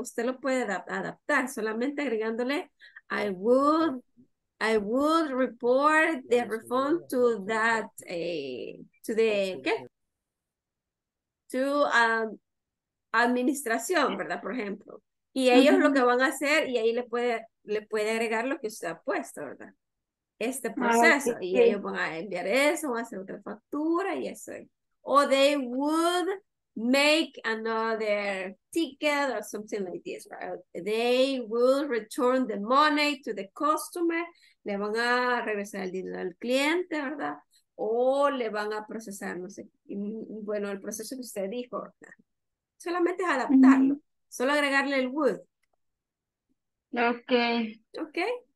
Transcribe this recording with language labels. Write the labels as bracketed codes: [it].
[es] Usted lo puede adaptar solamente agregándole [en] I would report the refund to that to the ¿qué? [es] To administración, ¿verdad? Por ejemplo. Y ellos lo que van a hacer y ahí le puede agregar lo que usted ha puesto, ¿verdad? Este proceso. Okay. Y ellos van a enviar eso, van a hacer otra factura y eso. [en] O they would make another ticket or something like this, right? They will return the money to the customer. [es] Le van a regresar el dinero al cliente, ¿verdad? O le van a procesar, no sé. Bueno, el proceso que usted dijo, ¿verdad? Solamente es adaptarlo. Solo agregarle el would. ¿Ok? Okay.